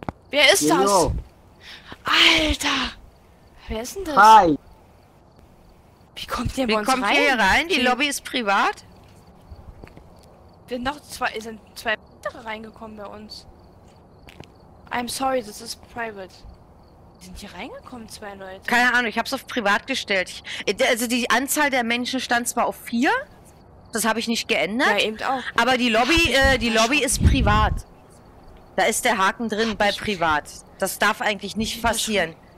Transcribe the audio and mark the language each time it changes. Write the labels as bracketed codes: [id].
[de] Wer ist das? Hello. Alter. Wer ist denn das? Hi. Wie kommt der bei uns rein? Wie kommt hier rein? Die Lobby ist privat? Sind zwei weitere reingekommen bei uns. [en] I'm sorry, this is private. [de] Sind hier reingekommen, zwei Leute? Keine Ahnung, ich hab's auf privat gestellt. Also die Anzahl der Menschen stand zwar auf 4, das habe ich nicht geändert. Ja, eben auch. Aber die Lobby ist privat. Da ist der Haken drin bei privat. Das darf eigentlich nicht passieren.